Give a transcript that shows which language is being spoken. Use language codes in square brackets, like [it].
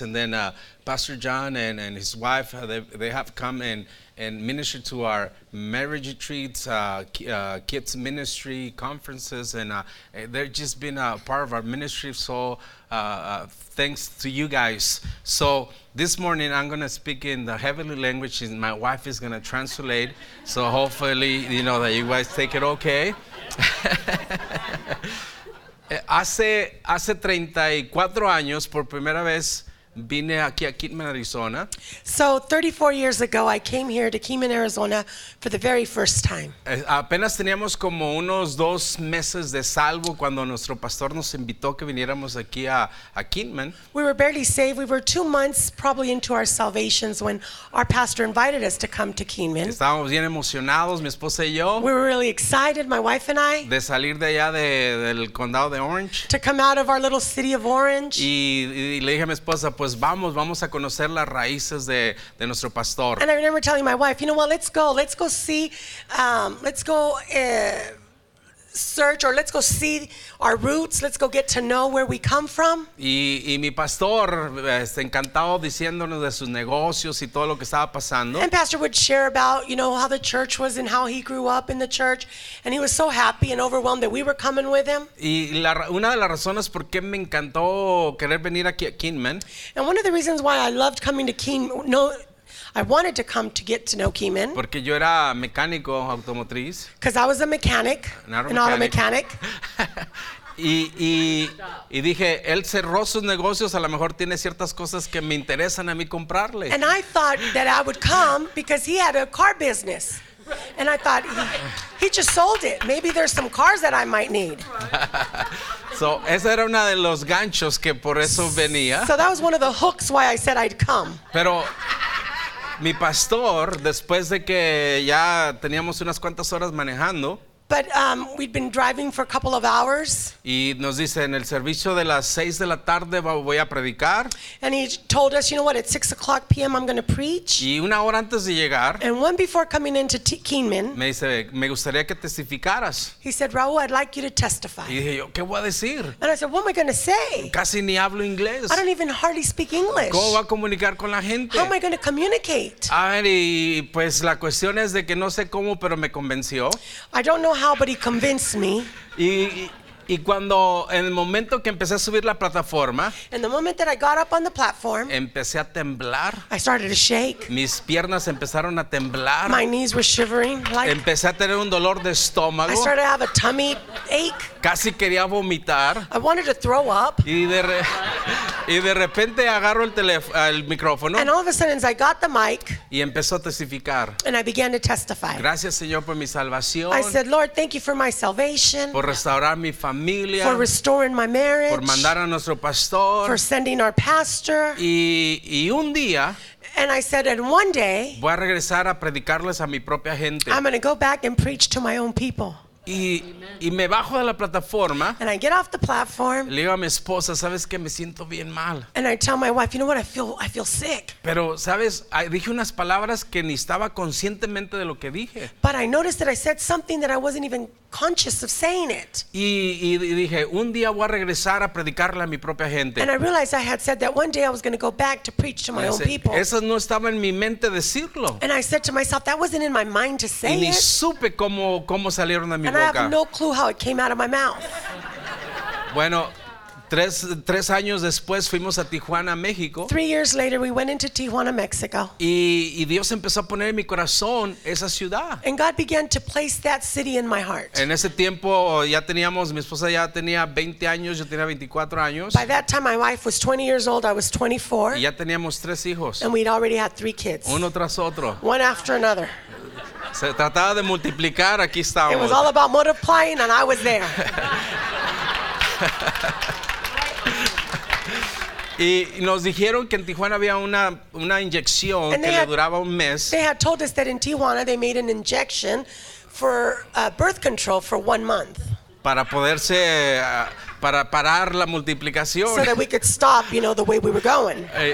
[en] And then Pastor John and his wife, they have come and ministered to our marriage retreats, kids ministry conferences, and they've just been a part of our ministry. So thanks to you guys. So this morning I'm gonna speak in the heavenly language, and my wife is gonna translate. So hopefully, you know, that you guys take it okay. [es] Hace 34 años, por primera vez, vine aquí a Kingman, Arizona. [en] So 34 years ago, I came here to Kingman, Arizona for the very first time. [es] Apenas teníamos como unos dos meses de salvo cuando nuestro pastor nos invitó que viniéramos aquí a Kingman. [en] We were barely saved. We were 2 months probably into our salvations when our pastor invited us to come to Kingman. [es] Estábamos bien emocionados, mi esposa y yo. [en] We were really excited, my wife and I. [es] De salir de allá del condado de Orange. [en] To come out of our little city of Orange. [es] Y le dije a mi esposa, pues vamos a conocer las raíces de nuestro pastor. [en] And I remember telling my wife, you know what, let's go see our roots, let's go get to know where we come from. [es] Y mi pastor encantado diciéndonos de sus negocios y todo lo que estaba pasando. [en] And pastor would share about, you know, how the church was and how he grew up in the church, and he was so happy and overwhelmed that we were coming with him. [es] Y una de las razones por qué me encantó querer venir aquí a Kingman. [en] And one of the reasons why I loved coming to Kingman, no, I wanted to come to get to know Kingman. [es] Porque yo era mecánico automotriz. [en] Because I was a mechanic, auto mechanic. [es] y dije, él cerró sus negocios, a lo mejor tiene ciertas cosas que me interesan a mí comprarle. [en] And I thought that I would come because he had a car business. And I thought, he just sold it. Maybe there's some cars that I might need. [es] So esa era una de los ganchos que por eso venía. [en] So that was one of the hooks why I said I'd come. [es] Pero mi pastor, después de que ya teníamos unas cuantas horas manejando, [en] But we'd been driving for a couple of hours. [es] Y nos dice, en el servicio de las 6 de la tarde voy a predicar. [en] And he told us, you know what, at 6 o'clock p.m. I'm going to preach. [es] Y una hora antes de llegar. [en] And one before coming into Keeneman. [es] Me dice, me gustaría que testificaras. [en] He said, Raúl, I'd like you to testify. [es] Y dije yo, ¿qué voy a decir? [en] And I said, what am I going to say? [es] Casi ni hablo inglés. [en] I don't even hardly speak English. [es] ¿Cómo voy a comunicar con la gente? [en] How am I going to communicate? [es] A ver, y pues la cuestión es de que no sé cómo, pero me convenció. [en] I don't know how, but he convinced me. [es] Y cuando, en el momento que empecé a subir la plataforma, [en] and the moment that I got up on the platform, [es] empecé a temblar. [en] I started to shake. [es] Mis piernas empezaron a temblar. [en] My knees were shivering. Like, [es] empecé a tener un dolor de estómago. [en] I started to have a tummy ache. [es] Casi quería vomitar. [en] I wanted to throw up. [es] Y de repente agarro el micrófono. [en] And all of a sudden, as I got the mic, [es] y empezó a testificar. [en] And I began to testify. [es] Gracias, Señor, por mi salvación. [en] I said, Lord, thank you for my salvation. [es] Por restaurar mi familia. [en] For restoring my marriage. [es] Por mandar a nuestro pastor. [en] For sending our pastor. [es] Y un día. [en] And I said, and one day. [es] Voy a regresar a predicarles a mi propia gente. [en] I'm going to go back and preach to my own people. [es] Y me bajo de la plataforma. [en] And I get off the platform. [es] Le digo a mi esposa, ¿sabes qué? Me siento bien mal. [en] And I tell my wife, you know what? I feel sick. [es] Pero, ¿sabes? Dije unas palabras que ni estaba conscientemente de lo que dije. [en] But I noticed that I said something that I wasn't even conscious of saying it. [es] Y dije, un día voy a regresar a predicarle a mi propia gente. [en] And I realized I had said that one day I was going to go back to preach to my own people. [es] Eso no estaba en mi mente decirlo. [en] And I said to myself, that wasn't in my mind to say it. [es] Y ni supe cómo salieron de mi [en] And [es] boca. [en] I have no clue how it came out of my mouth. [es] Bueno, tres años después fuimos a Tijuana, México. [en] 3 years later, we went into Tijuana, Mexico. [es] Y Dios empezó a poner en mi corazón esa ciudad. [en] And God began to place that city in my heart. [es] En ese tiempo ya teníamos, mi esposa ya tenía 20 años, yo tenía 24 años. [en] By that time, my wife was 20 years old, I was 24. [es] Y ya teníamos tres hijos. [en] And we'd already had 3 kids. [es] Uno tras otro. [en] One after another. [es] Se trataba de multiplicar, aquí estábamos. [en] It was all about multiplying and I was there. [es] Y nos dijeron que en Tijuana había una inyección que le duraba un mes. [en] They had told us that in Tijuana they made an injection for birth control for 1 month. [es] Para poderse para parar la multiplicación. [en] So that we could stop, you know, the way we were going.